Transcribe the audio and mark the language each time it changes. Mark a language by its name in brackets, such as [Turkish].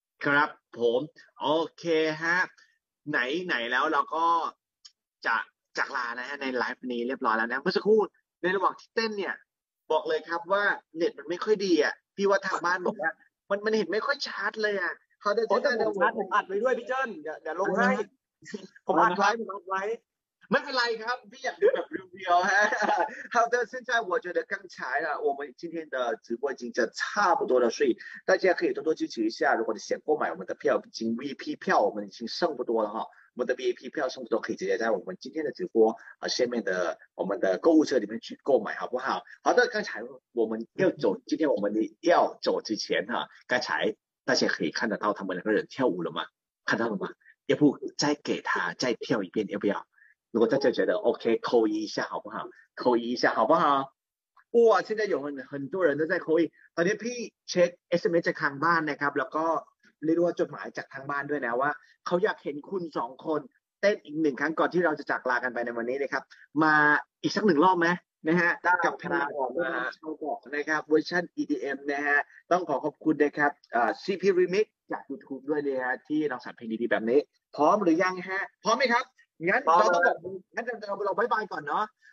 [Thai] ครับผม OK ฮะไหนไหนแล้วเราก็จากลานะฮะในไลฟ์นี้เรียบร้อยแล้วนะเมื่อสักครู่ในระหว่างที่เต้นเนี่ยบอกเลยครับว่าเน็ตมันไม่ค่อยดีอ่ะพี่ว่าทางบ้านบอกว่ามันเห็นไม่ค่อยชัดเลยอ่ะ เขาจะใช้การผมอัดไว้ด้วยพี่เจิ้นเดี๋ยวลงให้ผมอัดไว้ ไม่เป็นไรครับพี่อยากดูแบบรีวิวฮะ [Chinese] 好的现在我觉得刚才啊我们今天的直播已经就差不多了所以大家可以多多支持一下如果你想购买我们的票已经 VIP 票我们已经剩不多了哈我们的 VIP 票剩不多可以直接在我们今天的直播和下面的我们的购物车里面去购买好不好好的刚才我们要走今天我们要走之前哈刚才大家可以看得到他们两个人跳舞了吗看到了吗要不再给他再跳一遍要不要如果大家觉得 OK， 扣一下好不好？扣一下好不好？哇，现在有很多人都在扣一。 [Thai] ตอนนี้พี่เช็ค SMS จากทางบ้านนะครับแล้วก็เรียกว่าจดหมายจากทางบ้านด้วยนะว่าเขาอยากเห็นคุณ2คนเต้นอีก1ครั้งก่อนที่เราจะจากลากันไปในวันนี้นะครับมาอีกสัก1รอบไหมนะฮะกับพลาออกมาโชว์บอกนะครับเวอร์ชั่น EDM นะฮะต้องขอขอบคุณนะครับCP Remix จาก YouTube ด้วยนะฮะที่เราสั่นเพลงดีๆแบบนี้พร้อมหรือยังฮะพร้อมมั้ยครับงั้นเราบ๊ายบายก่อนเนาะ